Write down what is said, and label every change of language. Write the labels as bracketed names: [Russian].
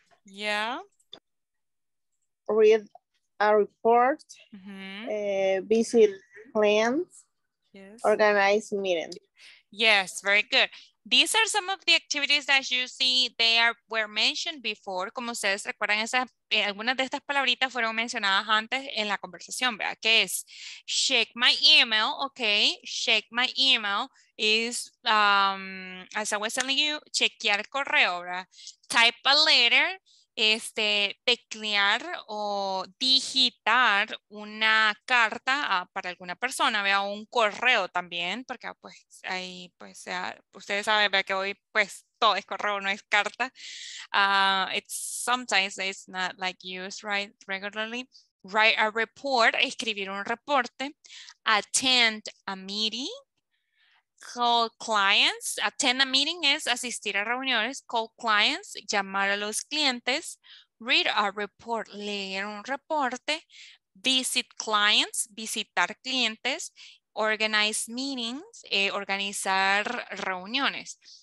[English] Yeah. Read a report. Mm-hmm. Visit plans. Yes. Organize meeting. Yes, very good. These are some of the activities that you see, they are, were mentioned before. [Spanish] Como ustedes recuerdan, algunas de estas palabritas fueron mencionadas antes en la conversación, ¿verdad? Que es, [English] check my email, [Spanish] okay? [English] Check my email is, as I was telling you, [Spanish] chequear el correo, ¿verdad? [English] Type a letter, [Spanish] teclear o digitar una carta para alguna persona, vea, un correo también, porque pues ahí pues ya, ustedes saben, vea, que hoy pues todo es correo, no es carta. [English] It's sometimes it's not like used right regularly. Write a report, [Spanish] escribir un reporte. [English] Attend a meeting. Call clients, attend a meeting es asistir a reuniones, call clients, llamar a los clientes, read a report, leer un reporte, visit clients, visitar clientes, organize meetings, organizar reuniones.